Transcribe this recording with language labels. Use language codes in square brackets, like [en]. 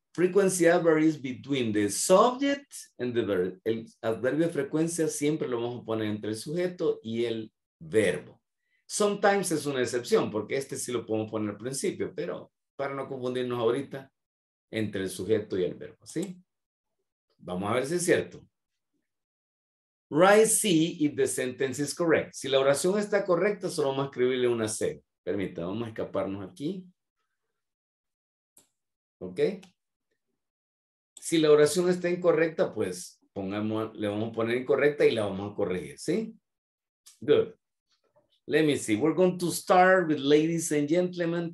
[en] Frequency varies between the subject and the verb. [es] El adverbio de frecuencia siempre lo vamos a poner entre el sujeto y el verbo. Sometimes es una excepción, porque este sí lo podemos poner al principio, pero para no confundirnos ahorita, entre el sujeto y el verbo, ¿sí? Vamos a ver si es cierto. [en] Write C if the sentence is correct. [es] Si la oración está correcta, solo vamos a escribirle una C. Permítame, vamos a escaparnos aquí. ¿Ok? Si la oración está incorrecta, pues le vamos a poner incorrecta y la vamos a corregir, ¿sí? [en] Good. Let me see. We're going to start with ladies and gentlemen.